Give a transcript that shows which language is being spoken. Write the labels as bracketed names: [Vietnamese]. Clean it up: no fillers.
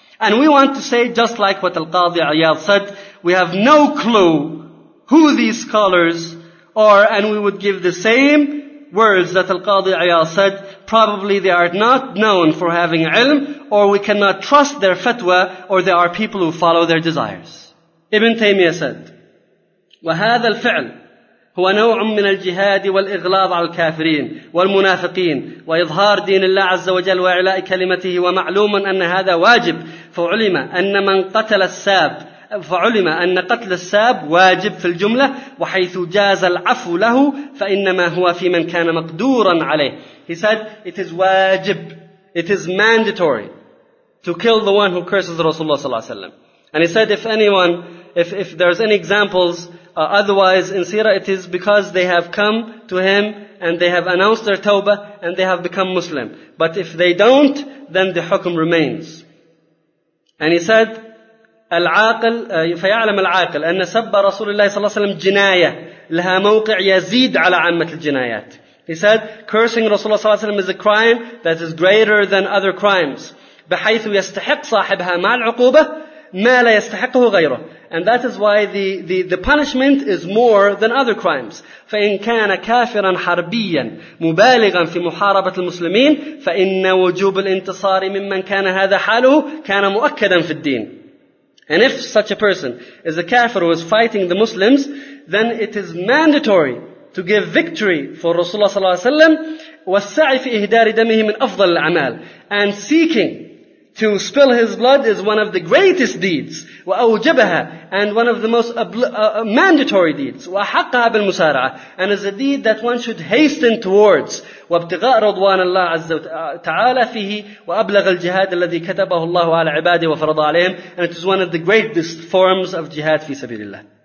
[English] And we want to say, just like what Al-Qadi Ayyad said, we have no clue who these scholars are, and we would give the same words that Al-Qadi Ayyad said. Probably they are not known for having ilm, or we cannot trust their fatwa, or they are people who follow their desires. Ibn Taymiyyah said, [Arabic] وَهَذَا الْفِعْلِ هو نوع من الجهاد والإغلاظ على الكافرين والمنافقين وإظهار دين الله عز وجل وإعلاء كلمته ومعلوم أن هذا واجب فعلم أن من قتل الساب فعلم أن قتل الساب واجب في الجملة وحيث جاز العفو له فإنما هو في من كان مقدورا عليه. [English] He said, it is واجب, it is mandatory to kill the one who curses Rasulullah صلى الله عليه وسلم. And he said, if there's any examples otherwise in Sirah, it is because they have come to him and they have announced their tawbah and they have become Muslim. But if they don't, then the hukm remains. And he said, [Arabic] العاقل فيعلم العاقل أن سب رسول الله صلى الله عليه وسلم جناية لها موقع يزيد على عامة الجنايات. [English] He said, cursing Rasulullah صلى الله عليه وسلم is a crime that is greater than other crimes. [Arabic] بحيث يستحق صاحبها مع العقوبة ما لا يستحقه غيره. [English] And that is why the punishment is more than other crimes. [Arabic] فإن كان كافرا حربيا مبالغا في محاربة المسلمين فإن وجوب الانتصار ممن كان هذا حاله كان مؤكدا في الدين. [English] And if such a person is a kafir who is fighting the Muslims, then it is mandatory to give victory for Rasulullah sallallahu alaihi wasallam. [Arabic] والسعي في إهدار دمه من أفضل الأعمال. [English] And seeking to spill his blood is one of the greatest deeds, [Arabic] وَأَوْجَبَهَا, [English] and one of the most mandatory deeds, [Arabic] وَحَقَّهَا بِالْمُسَارَعَةِ, [English] and is a deed that one should hasten towards, [Arabic] وَابْتِغَاءَ رَضْوَانَ اللَّهِ عَزَّ وَتَعَالَى فِيهِ وَأَبْلَغَ الْجِهَادَ الَّذِي كَتَبَهُ اللَّهُ عَلَى عِبَادِهِ وَفَرَضَ عَلَيْهِمْ, [English] and it is one of the greatest forms of jihad fi sabilillah.